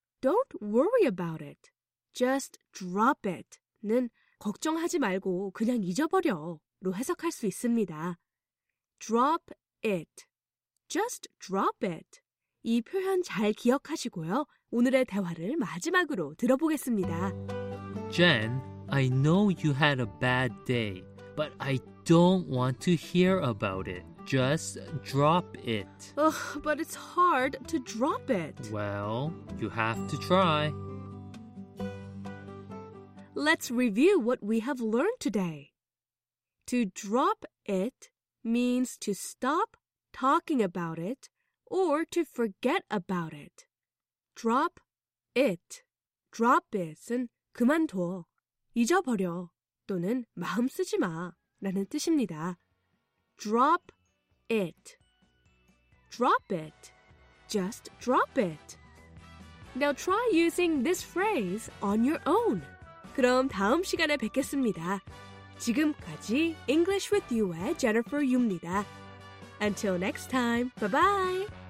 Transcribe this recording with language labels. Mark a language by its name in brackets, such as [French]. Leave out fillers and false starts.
[English] Don't worry about it. Just drop it. [Korean] 는 걱정하지 말고 그냥 잊어버려. 로 해석할 수 있습니다. [English] Drop it. Just drop it. [Korean] 이 표현 잘 기억하시고요. 오늘의 대화를 마지막으로 들어보겠습니다. [English] Jen, I know you had a bad day, but I don't want to hear about it. Just drop it. Ugh, but it's hard to drop it. Well, you have to try. Let's review what we have learned today. To drop it means to stop talking about it or to forget about it. Drop it. [Korean] Drop it은 그만둬, 잊어버려 또는 마음 쓰지 마 라는 뜻입니다. [English] Drop it. Drop it. Just drop it. Now try using this phrase on your own. [Korean] 그럼 다음 시간에 뵙겠습니다. 지금까지 English with You의 Jennifer Yu입니다. [English] Until next time, bye-bye!